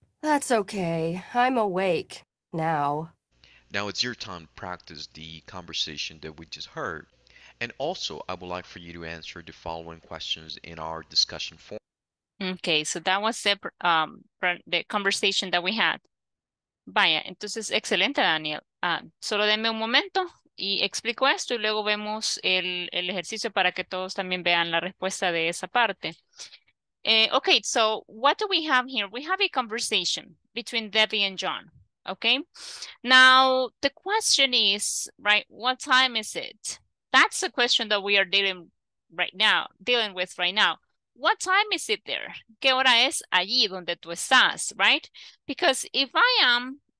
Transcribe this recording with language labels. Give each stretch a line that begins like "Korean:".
English: That's okay. I'm awake now. Now it's your time to practice the conversation that we just heard. And also, I would like for you to answer the following questions in our discussion forum. Okay, so that was the conversation that we had.
Spanish: Vaya, entonces, excelente, Daniel. Solo denme un momento y explico esto y luego vemos el ejercicio para que todos también vean la respuesta de esa parte.
English: Okay, so what do we have here? We have a conversation between Debbie and John, okay? Now, the question is, right, what time is it? That's the question that we are dealing with right now. What time is it there?
Spanish: ¿Qué hora es allí donde tú estás,
English: right? Because if I am